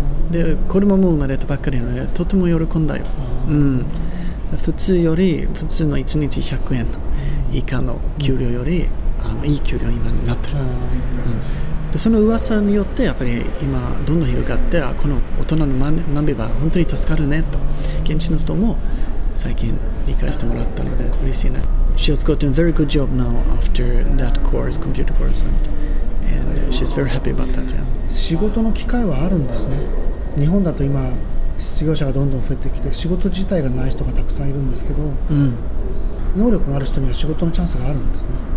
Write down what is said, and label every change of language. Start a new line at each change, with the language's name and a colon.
Japanese: で、子供も生まれたばっかりなので、とても喜んだよ。うん、普通の1日100円以下の給料より、うん、いい給料今になってる。うん、でその噂によって、やっぱり今どんどん広がって、あ、この大人の学びは本当に助かるねと、現地の人も最近理解してもらったので嬉しいね。
English: She has gotten a very good job now after that course, computer course, and she's very happy about that, yeah.
Japanese: 仕事の機会はあるんですね。日本だと今失業者がどんどん増えてきて、仕事自体がない人がたくさんいるんですけど、うん、能力のある人には仕事のチャンスがあるんですね。